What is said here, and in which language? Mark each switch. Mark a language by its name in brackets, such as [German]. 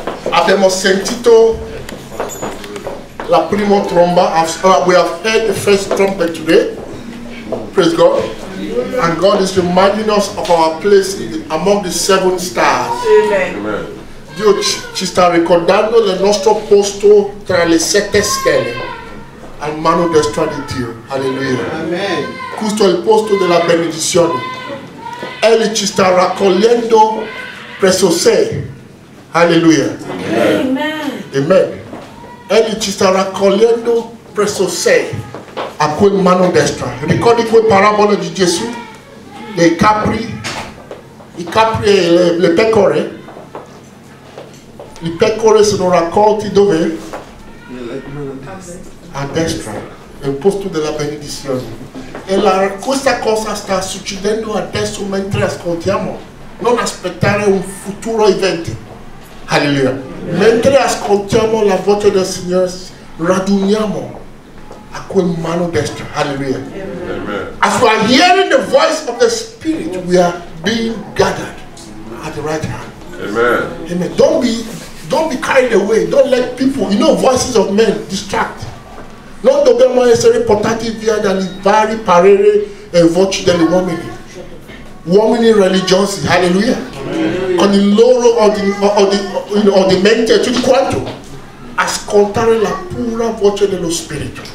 [Italian] abbiamo sentito la prima tromba. [English] We have heard the first trumpet today. Praise God. And God is reminding us of our place among the seven stars. Amen. [Italian] Dio ci sta ricordando del nostro posto tra le sette stelle. Al mano destra di Dio. Alleluia. Amen. Questo è il posto della benedizione. Egli ci sta raccogliendo presso sé. Alleluia. Amen. Amen. Egli ci sta raccogliendo presso sé. A quel mano destra. Ricordi quel parabola di Gesù? Dei capri. I capri e le pecore. Le pecore sono raccolti dove? A destra, nel posto della benedizione. E questa cosa sta succedendo adesso mentre ascoltiamo. Non aspettare un futuro evento. Alleluia. Mentre ascoltiamo la voce del Signore, raduniamo a quel mano destra. Alleluia. [English] As we are hearing the voice of the Spirit, we are being gathered at the right hand. Amen. Amen. Don't be carried away. Don't let people, you know, voices of men distract. [Italian] Non dobbiamo essere portati via dalle varie parere e voci degli uomini. Uomini religiosi, alleluia. Con il loro ordinamento, tutto quanto. Ascoltare la pura voce dello Spirito.